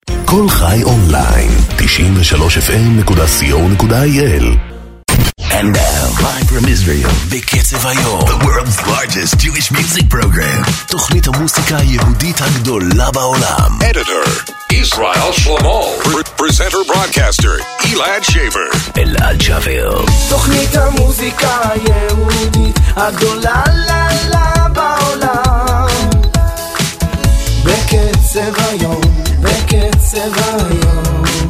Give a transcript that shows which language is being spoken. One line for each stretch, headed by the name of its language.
Hebrew: בכל חי אונליין 93fm.co.il.
English: And now, live from Israel, בקצב היום, the world's largest Jewish music program,
Hebrew: תוכנית המוסיקה היהודית הגדולה בעולם.
English: Editor,
Hebrew: Israel Shlomo,
English: presenter, broadcaster,
Hebrew: Elad Shaver, Elad Shaver, תוכנית המוסיקה היהודית הגדולה בעולם, בקצב היום, בקצב היום.